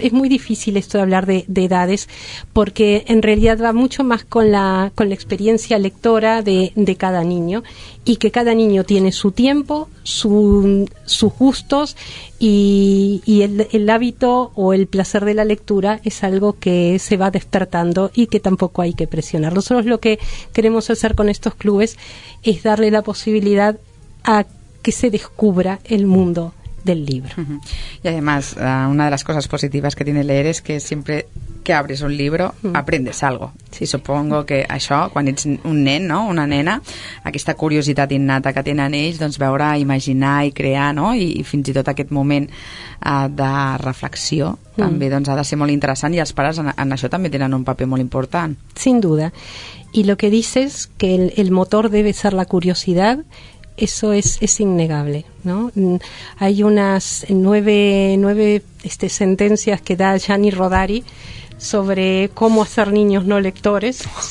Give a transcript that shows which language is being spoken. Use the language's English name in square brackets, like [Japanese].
[Spanish] Es muy difícil esto de hablar de edades, porque en realidad va mucho más con la experiencia lectora de cada niño, y que cada niño tiene su tiempo, sus gustos, y el hábito o el placer de la lectura es algo que se va despertando y que tampoco hay que presionar. Nosotros lo que queremos hacer con estos clubes es darle la posibilidad a que se descubra el mundo del libro. Y además, una de las cosas positivas que tiene leer es que siempre que abres un llibre aprendes algo. [Catalan] Sí, supongo que això, quan ets un nen, no?, una nena, aquesta curiositat innata que tenen ells, doncs veure, imaginar i crear, no?, i fins i tot aquest moment de reflexió també doncs ha de ser molt interessant, i els pares en això també tenen un paper molt important. [Spanish] Sin duda. Y lo que dices, que el motor debe ser la curiosidad, eso es innegable, ¿no? Hay unas nueve sentencias que da Gianni Rodari sobre cómo hacer niños no lectores.